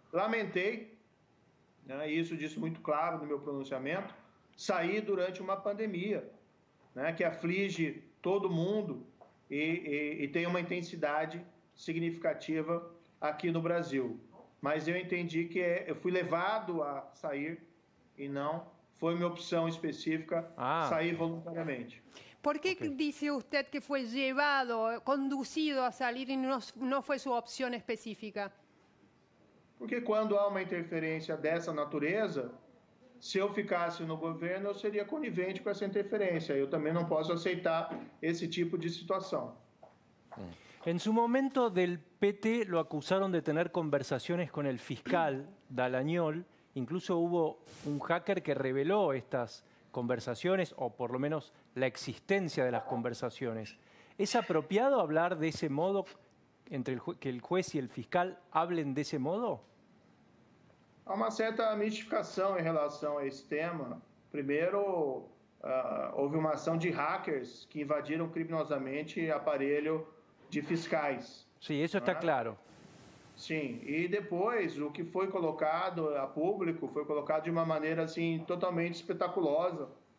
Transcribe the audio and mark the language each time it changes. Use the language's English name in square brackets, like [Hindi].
[Portuguese] Lamentei, isso disse muito claro no meu pronunciamento, sair durante uma pandemia que aflige todo mundo e tem uma intensidade significativa aqui no Brasil. Mas eu entendi que eu fui levado a sair e não foi minha opção específica sair voluntariamente. [Spanish] ¿Por qué dice usted que fue llevado, conducido a salir y no fue su opción específica? Porque cuando hay una interferencia de esa naturaleza, si yo ficasse en el gobierno, yo sería conivente con esa interferencia. Yo también no puedo aceptar ese tipo de situación. En su momento del PT lo acusaron de tener conversaciones con el fiscal Dalañol. Incluso hubo un hacker que reveló estas conversaciones o por lo menos la existencia de las conversaciones. ¿Es apropiado hablar de ese modo, entre el juez y el fiscal hablen de ese modo? [Portuguese] Há uma certa mistificação em relação a esse tema. Primeiro, houve uma ação de hackers que invadiram criminosamente aparelho de fiscais. Sim, isso está claro. Sim, e depois o que foi colocado a público foi colocado de uma maneira assim totalmente espetaculosa.